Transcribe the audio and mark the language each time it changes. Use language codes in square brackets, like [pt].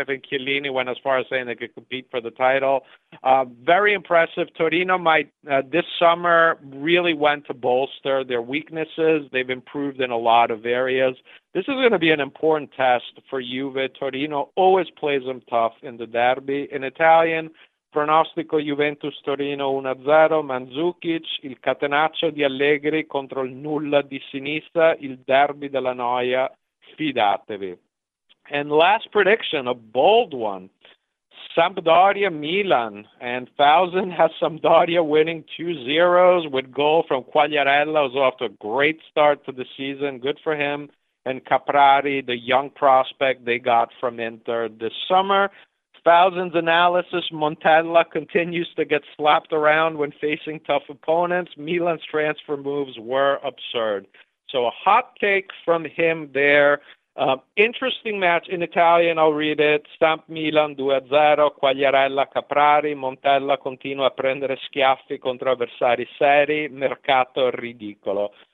[en] I think Chiellini went as far as saying they could compete for the title. Very impressive. Torino might this summer really went to bolster their weaknesses. They've improved in a lot of areas. This is going to be an important test for Juve. Torino always plays them tough in the derby. In Italian, [it] pronostico Juventus-Torino 1-0, Mandzukic, il catenaccio di Allegri contro il nulla di Sinisa, il derby della noia, fidatevi. [en] And last prediction, a bold one, Sampdoria-Milan, and Thousand has Sampdoria winning 2-0 with goal from Quagliarella, who's off to a great start to the season, good for him, and Caprari, the young prospect they got from Inter this summer. Thousand's analysis, Montella continues to get slapped around when facing tough opponents. Milan's transfer moves were absurd. So a hot take from him there. Interesting match in Italian, I'll read it. [it] Stamp Milan 2-0, Quagliarella Caprari, Montella continua a prendere schiaffi contro avversari seri, mercato ridicolo.